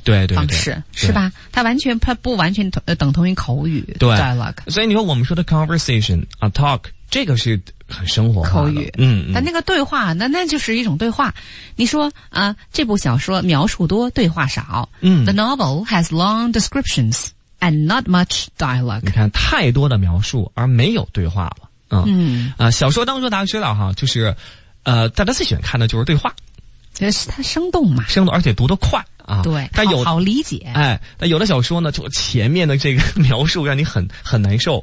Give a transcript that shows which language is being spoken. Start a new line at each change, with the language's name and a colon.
Chinese: 对对方式，对对对，是吧？它完全它不完全等同于口语，对
English: dialogue。
Chinese: 所以你说我们说的 conversation 啊 talk， 这个是很生活化的口语，嗯，嗯，但那个对话，那就是一种对话。你说啊，这部小说描述多，对话少，嗯
English: ，the novel has long descriptions and not much dialogue。
Chinese: 你看，太多的描述而没有对话了。嗯啊、小说当中大家知道哈，就是大家最喜欢看的就是对话，它生动嘛，生动而且读得快啊。对，但有好理解。哎，但有的小说呢，就前面的这个描述让你很难受，